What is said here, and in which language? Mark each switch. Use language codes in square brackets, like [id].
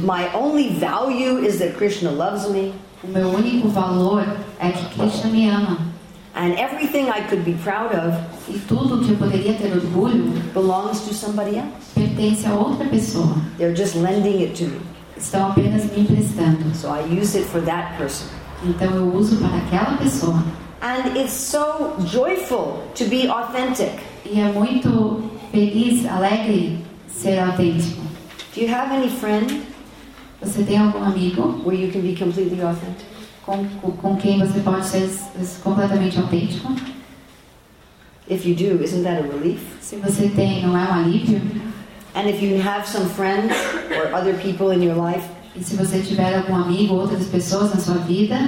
[en] My only value is that Krishna loves me. [pt] O meu único valor é que Krishna me ama. [en] And everything I could be proud of, [pt] e tudo que eu poderia ter orgulho, [en] belongs to somebody else. [pt] Pertence a outra pessoa. [en] They're just lending it to me. [pt] Estão apenas me emprestando. [en] So I use it for that person. [pt] Então eu uso para aquela pessoa. [en] And it's so joyful to be authentic. [pt] E é muito feliz, alegre ser autêntico. [en] Do you have any friend? [pt] Você tem algum amigo? [en] Where you can be completely authentic. [pt] Com quem você pode ser completamente autêntico? [en] If you do, isn't that a relief? [pt] Se você tem, não é um alívio? [en] And if you have some friends or other people in your life, [pt] e se você tiver algum amigo ou outras pessoas na sua vida,